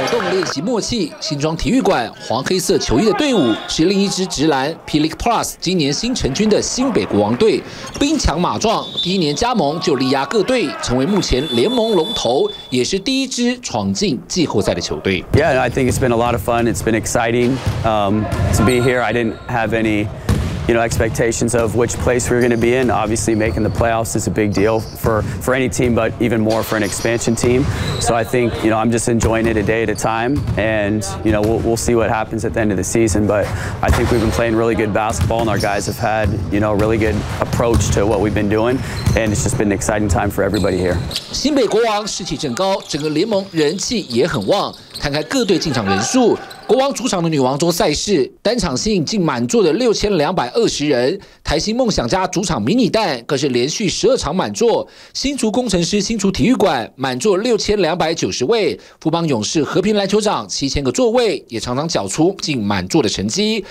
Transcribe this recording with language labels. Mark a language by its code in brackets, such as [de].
[zh] 练习默契，新庄体育馆黄黑色球衣的队伍是另一支职篮 P-League Plus 今年新成军的新北国王队，兵强马壮，第一年加盟就力压各队，成为目前联盟龙头，也是第一支闯进季后赛的球队。 [en] Yeah, I think it's been a lot of fun. It's been exciting to be here. I didn't have any, you know, expectations of which place we're going to be in. Obviously, making the playoffs is a big deal for any team, but even more for an expansion team. So I think, you know, I'm just enjoying it a day at a time, and you know, we'll see what happens at the end of the season. But I think we've been playing really good basketball, and our guys have had, you know, a really good approach to what we've been doing, and it's just been an exciting time for everybody here. [zh] 新北国王士气正高，整个联盟人气也很旺。看看各队进场人数。国王主场的女王桌赛事单场吸引近满座的6220人，台新梦想家主场迷你蛋更是连续12场满座，新竹工程师新竹体育馆满座6290位，富邦勇士和平篮球场7000个座位也常常缴出近满座的成绩。